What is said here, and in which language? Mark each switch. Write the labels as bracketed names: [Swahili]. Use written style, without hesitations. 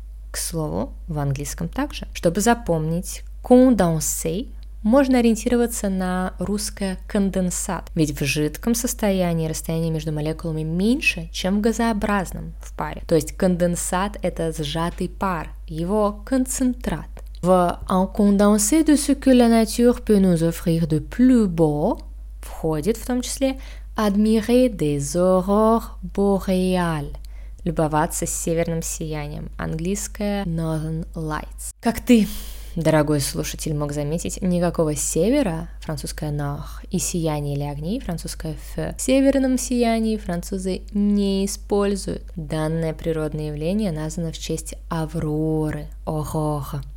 [Russian] К слову, в английском также. Чтобы запомнить «condensé», можно ориентироваться на русское «конденсат». Ведь в жидком состоянии расстояние между молекулами меньше, чем в газообразном в паре. То есть конденсат – это сжатый пар, его концентрат. В [French] «un condensé de ce que la nature peut nous offrir de plus beau» [Russian] входит в том числе [French] «admirer des aurores boreales» [Russian] – «любоваться северным сиянием» – английское [English] «Northern Lights». [Russian] Как ты, дорогой слушатель, мог заметить, никакого севера – французское «nord» и «сияние или огней» – французское «feu» – в северном сиянии французы не используют. Данное природное явление названо в честь «авроры» – «aurore».